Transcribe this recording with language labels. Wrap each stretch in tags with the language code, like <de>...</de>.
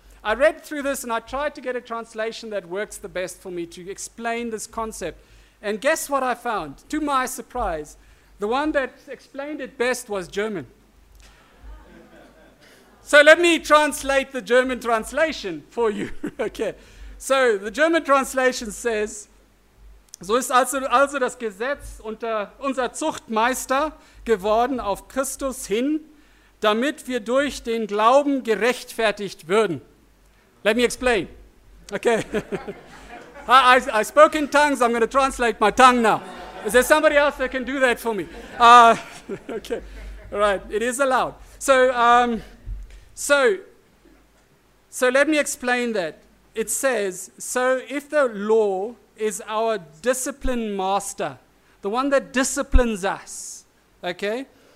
<en>I read through this and I tried to get a translation that works the best for me to explain this concept. And guess what I found? To my surprise, the one that explained it best was German. So let me translate the German translation for you. Okay. So the German translation says,</en> <de>so ist also das Gesetz unter unser Zuchtmeister geworden auf Christus hin, damit wir durch den Glauben gerechtfertigt würden.</de> <en>Let me explain. Okay. I spoke in tongues. I'm going to translate my tongue now. Is there somebody else that can do that for me? Okay. All right. It is allowed. So let me explain that. It says, so if the law is our discipline master, the one that disciplines us, okay?</en>